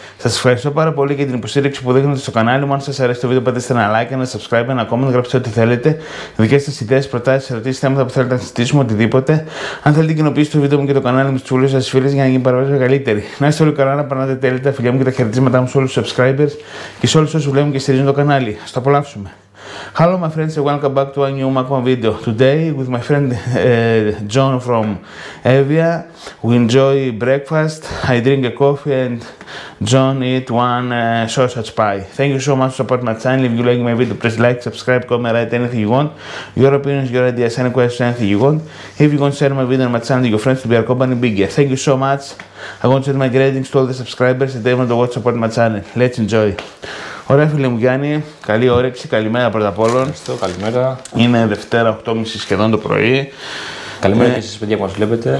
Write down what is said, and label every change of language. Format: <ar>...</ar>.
<el>Σας ευχαριστώ πάρα πολύ για την υποστήριξη που δείχνετε στο κανάλι μου. Αν σας αρέσει το βίντεο, πατήστε ένα like, ένα subscribe, ένα comment, γράψτε ό,τι θέλετε. Δικές σας ιδέες, προτάσεις, ερωτήσεις, θέματα που θέλετε να συζητήσουμε, οτιδήποτε. Αν θέλετε, κοινοποιήστε το βίντεο μου και το κανάλι μου στους φίλους σας, φίλες, για να γίνει παραπάνω καλύτερη. Να είστε όλοι καλά, να περνάτε τέλεια, φίλια μου, και τα χαιρετήματά μου σε όλους τους subscribers και σε όλους όσους βλέπουν και στηρίζουν το κανάλι. Ας το απολαύσουμε.</el> <en>Hello my friends and welcome back to a new Magma video. Today with my friend John from Evia, we enjoy breakfast, I drink a coffee and John eat one sausage pie. Thank you so much for supporting my channel. If you like my video, please like, subscribe, comment, write anything you want. Your opinions, your ideas, any questions, anything you want. If you want to share my video on my channel to your friends, to be our company bigger. Thank you so much. I want to send my greetings to all the subscribers and everyone who support my channel. Let's enjoy.</en> <el>Ωραία, φίλε μου Γιάννη, καλή όρεξη, καλημέρα πρώτα απ' όλων. Ευχαριστώ, καλημέρα. Είναι Δευτέρα, 8.30 σχεδόν το πρωί. Καλημέρα και εσείς, παιδιά, που μας βλέπετε.</el>